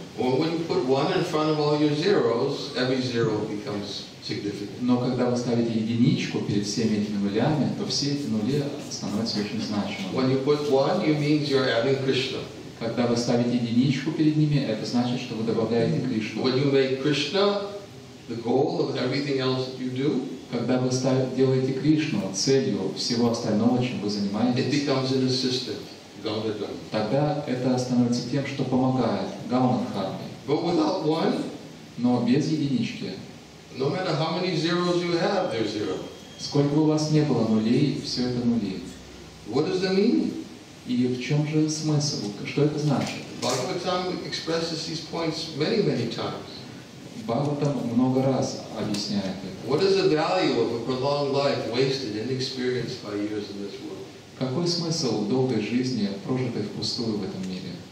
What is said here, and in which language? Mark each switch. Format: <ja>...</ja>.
<en>Well, when you put one in front of all your zeros, every zero becomes significant.</en> <ru>Но когда вы ставите единичку перед всеми этими нулями, то все эти нули становятся очень значимыми.</ru> <en>When you put one, you mean you're adding Krishna.</en> <ru>Когда вы ставите единичку перед ними, это значит, что вы добавляете Кришну.</ru> <en>When you make Krishna the goal of everything else you do,</en> <ru>когда вы делаете Кришну целью всего остального, чем вы занимаетесь,</ru> <en>it becomes an assistant. Gauna-dharma.</en> <ru>Тогда это становится тем, что помогает гауна-дхарме.</ru> <en>But without one,</en> <ru>но без единички.</ru> <en>No matter how many zeros you have, they're zero.</en> <ru>Сколько бы у вас не было нулей, все это нули.</ru> <en>What does that mean?</en> <ru>И в чем же смысл? Что это значит?</ru> <en>Bhagavatam expresses these points many, many times.</en> <ru>Бхагаватам много раз объясняет это.</ru> <en>What is the value of a prolonged life wasted inexperienced by years in this world?</en> <ru>Какой смысл долгой жизни, прожитой впустую в этом мире?</ru>